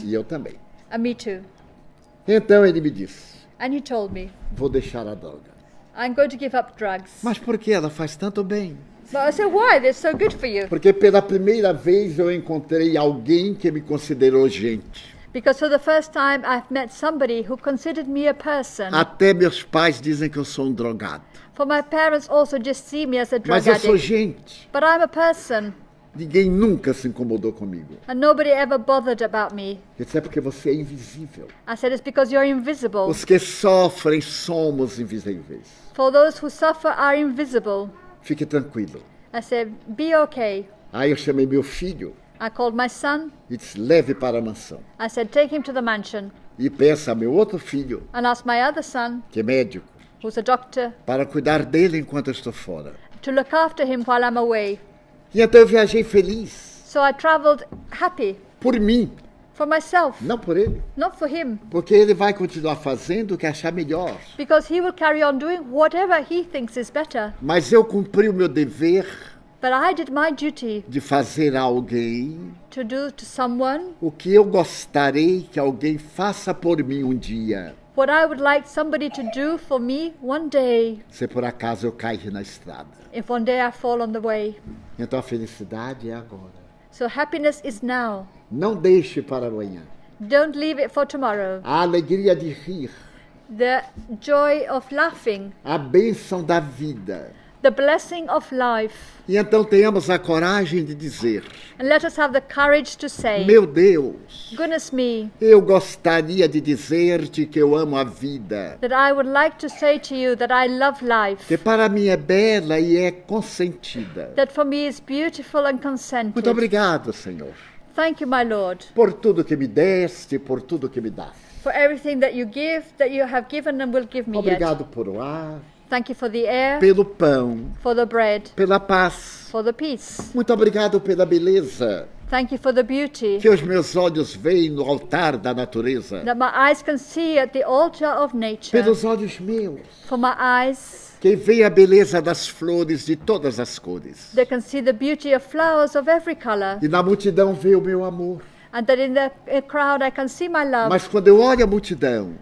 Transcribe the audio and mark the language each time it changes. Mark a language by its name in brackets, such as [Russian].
[Portuguese] E eu também. [English] And me too. [Portuguese] Então ele me disse. [English] And he told me, [Portuguese] vou deixar a droga. [English] I'm going to give up drugs. [Portuguese] Mas por que ela faz tanto bem? [English] But I said, why? They're so good for you. [Portuguese] Porque pela primeira vez eu encontrei alguém que me considerou gente. [English] Because for the first time I've met somebody who considered me a person. [Portuguese] Até meus pais dizem que eu sou drogado. [English] For my parents also just see me as a drug addict. [Portuguese] Mas eu sou gente. [English] But I'm a person. [Portuguese] Ninguém nunca se incomodou comigo. [English] And nobody ever bothered about me. [Portuguese] Eu disse, é porque você é invisível. [English] I said, it's because you're invisible. [Portuguese] Os que sofrem somos invisíveis. [English] For those who suffer are invisible. [Portuguese] Fique tranquilo. [English] I said, be okay. [Portuguese] Aí eu chamei meu filho. [English] I called my son. [Portuguese] E disse, leve para a mansão. [English] I said, take him to the mansion. [Portuguese] E peça ao meu outro filho. [English] And ask my other son. [Portuguese] Que é médico. [English] Who's a doctor. [Portuguese] Para cuidar dele enquanto eu estou fora. [English] To look after him while I'm away. [Portuguese] E então eu viajei feliz. [English] So I traveled happy. [Portuguese] Por mim. [English] For myself. [Portuguese] Não por ele. [English] Not for him. [Portuguese] Porque ele vai continuar fazendo o que achar melhor. [English] Because he will carry on doing whatever he thinks is better. [Portuguese] Mas eu cumpri o meu dever. [English] But I did my duty. [Portuguese] De fazer a alguém. [English] To do to someone. [Portuguese] O que eu gostarei que alguém faça por mim um dia. [English] What I would like somebody to do for me one day. [Portuguese] Se por acaso eu cair na estrada. [English] If one day I fall on the way. [Portuguese] Então a felicidade é agora. [English] So happiness is now. [Portuguese] Não deixe para amanhã. [English] Don't leave it for tomorrow. [Portuguese] A alegria de rir. [English] The joy of laughing. [Portuguese] A bênção da vida. [English] The blessing of life. [Portuguese] E então tenhamos a coragem de dizer. [English] And let us have the courage to say. [Portuguese] Meu Deus. [English] Goodness me. [Portuguese] Eu gostaria de dizer-te que eu amo a vida. [English] That I would like to say to you that I love life. [Portuguese] Que para mim é bela e é consentida. [English] That for me is beautiful and consented. [Portuguese] Muito obrigado, Senhor. [English] Thank you, my Lord. [Portuguese] Por tudo que me deste, por tudo que me dás. [English] For everything that you give, that you have given and will give me. [Portuguese] Obrigado [English] yet. [Portuguese] Por o ar. [English] Thank you for the air. [Portuguese] Pelo pão. [English] For the bread. [Portuguese] Pela paz. [English] For the peace. [Portuguese] Muito obrigado pela beleza. [English] Thank you for the beauty. [Portuguese] Que os meus olhos veem no altar da natureza. [English] That my eyes can see at the altar of nature. [Portuguese] Pelos olhos meus. [English] For my eyes. [Portuguese] Que veem a beleza das flores de todas as cores. [English] They can see the beauty of flowers of every color. [Portuguese] E na multidão vê o meu amor. [English] And that in the crowd I can see my love. [Portuguese] Mas quando eu olho a multidão,